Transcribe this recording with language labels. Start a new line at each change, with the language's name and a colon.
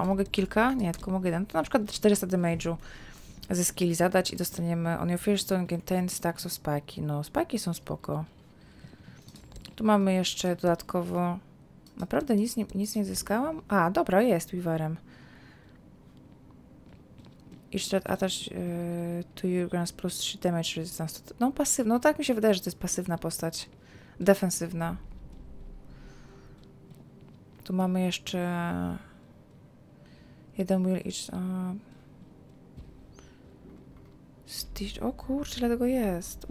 Polish: A mogę kilka? Nie, tylko mogę jeden. To na przykład 400 damage'u ze skilli zadać i dostaniemy
English: on your first turn, gain 10 stacks of spiky.
Polish: No, spiky są spoko. Tu mamy jeszcze dodatkowo... Naprawdę nic nie zyskałam? A, dobra, jest Weaverem.
English: Each threat attached to you grants plus 3 damage resistance.
Polish: No, pasywna. No, tak mi się wydaje, że to jest pasywna postać. Defensywna. Tu mamy jeszcze jeden
English: will each stitch.
Polish: O kurczę, ile tego jest.